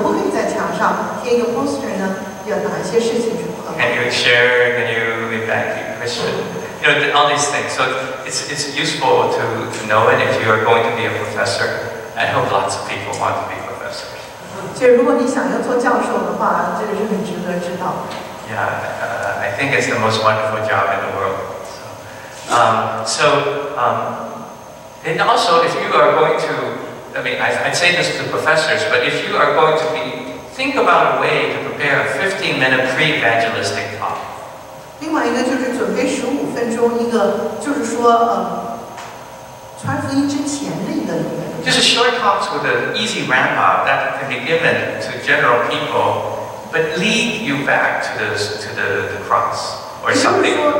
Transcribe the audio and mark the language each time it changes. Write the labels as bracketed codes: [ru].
[zh] 所以在这本书在最后的那个附加的地方，他会告诉你说，如果你身为一个美国的教授，有哪些事情是合法可以做？比方说，可不可以在墙上贴一个 poster 呢？有哪些事情是合法？ [en] Can you share? Can you invite Christian? You know all these things. So it's useful to know it if you are going to be a professor. I hope lots of people want to be professors. [zh] 所以如果你想要做教授的话，这个是很值得知道。 [en] Yeah, I think it's the most wonderful job in the world. And also, if you are going to, I'd say this to professors, but if you are going to be, think about a way to prepare a 15-minute pre-evangelistic talk. [zh] 另外一个就是准备15分钟一个，就是说，传福音之前的一个。 [en] Just a short talks with an easy ramp-up that can be given to general people. But lead you back to the cross or something.